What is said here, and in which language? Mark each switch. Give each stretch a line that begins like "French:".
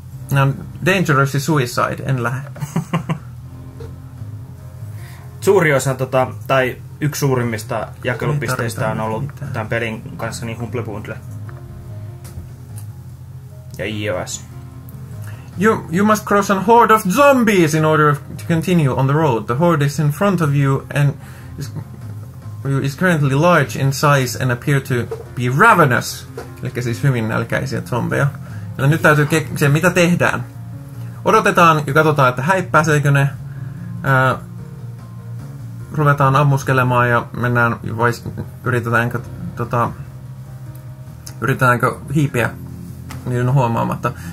Finnish: Nämä on
English: dangerous suicide,
Finnish: en lähde. Suuri osa, tai yksi suurimmista jakelupisteistä on ollut mitään tämän pelin kanssa, niin Humble Bundle. Ja iOS.
English: You must cross a horde of zombies in order to continue on the road. The horde is in front of you and is currently large in size and appear to be ravenous.
Finnish: Eli siis hyvin nälkäisiä zombeja. Eli nyt täytyy keksiä, mitä tehdään. Odotetaan ja katsotaan, että häippääseekö ne. ruvetaan ammuskelemaan ja mennään, vai yritetäänkö, yritetäänkö hiipiä niiden huomaamatta.